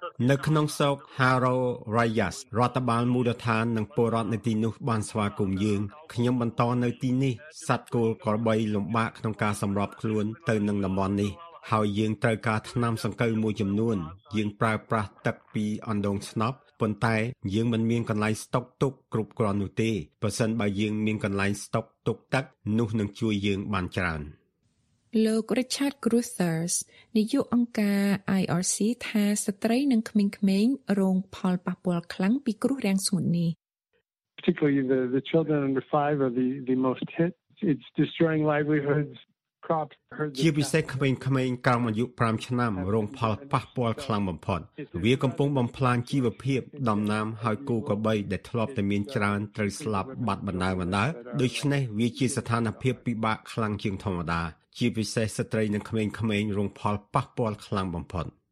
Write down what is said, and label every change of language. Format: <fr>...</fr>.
<km>នៅក្នុងសោកហារ៉ូរ៉ាយ៉ាស់រដ្ឋបាលមូលដ្ឋាននិងពលរដ្ឋនៅទីនោះបានស្វាគមន៍យើងខ្ញុំបន្តនៅទីនេះសត្វគោលក្របីលំបាកក្នុងការសម្របខ្លួនទៅនឹងតំបន់នេះហើយយើងត្រូវការថ្នាំសង្កូវមួយចំនួនយើងប្រើប្រាស់ទឹកពីអណ្ដូងស្នប់ប៉ុន្តែយើងមិនមានកន្លែងស្តុកទុកគ្រប់គ្រាន់នោះទេប្រសិនបើយើងមានកន្លែងស្តុកទុកទឹកនោះនឹងជួយយើងបានច្រើន លោក Richard Gruthers នាយកអង្គការ IRC ថាស្ត្រីនិងក្មេងៗរងផលប៉ះពាល់ខ្លាំងពីគ្រោះរាំងស្ងួតនេះ</km> <en>Particularly the children under 5 are the most hit it's destroying livelihoods</en> <km>ជាពិសេសក្មេងៗក្រោមអាយុ5ឆ្នាំរងផលប៉ះពាល់ខ្លាំងបំផុតវាកំពុងបំផ្លាញជីវភាពដំណាំហើយគោក្របីដែលធ្លាប់តែមានច្រើនត្រូវស្លាប់បាត់បណ្ដើរបណ្ដើរដូច្នេះវាជាស្ថានភាពពិបាកខ្លាំងជាងធម្មតាជាពិសេសស្ត្រីនិងក្មេងៗរងផលប៉ះពាល់ខ្លាំងបំផុត</km>